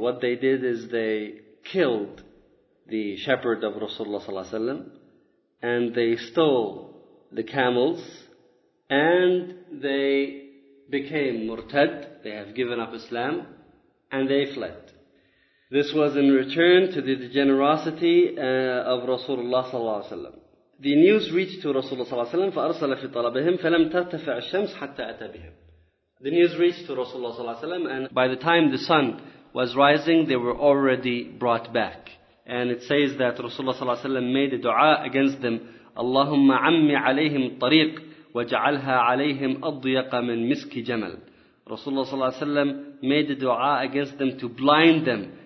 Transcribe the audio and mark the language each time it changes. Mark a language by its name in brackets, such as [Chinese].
[English] What they did is they killed the shepherd of Rasulullah sallallahu alaihi wasallam, and they stole the camels. And they became murtad, they have given up Islam, and they fled. This was in return to the generosity of Rasulullah sallallahu alaihi wasallam. The news reached to Rasulullah sallallahu alaihi wasallam, [Arabic] فَأَرْسَلَ فِي طَلَبِهِمْ فَلَمْ تَرْتَفِعَ الشَّمْسِ حَتَّى أَتَى بِهِمْ. [English] The news reached to Rasulullah sallallahu alaihi wasallam, and by the time the sun was rising, they were already brought back. And it says that Rasulullah sallallahu alaihi wasallam made a dua against them, [Arabic] اللهم عمي عليهم الطريق وَجَعَلْهَا عَلَيْهِمْ أَضْيَقَ مِنْ مِسْكِ جَمَلٍ. [English] Rasulullah sallallahu alaihi wasallam made a dua against them to blind them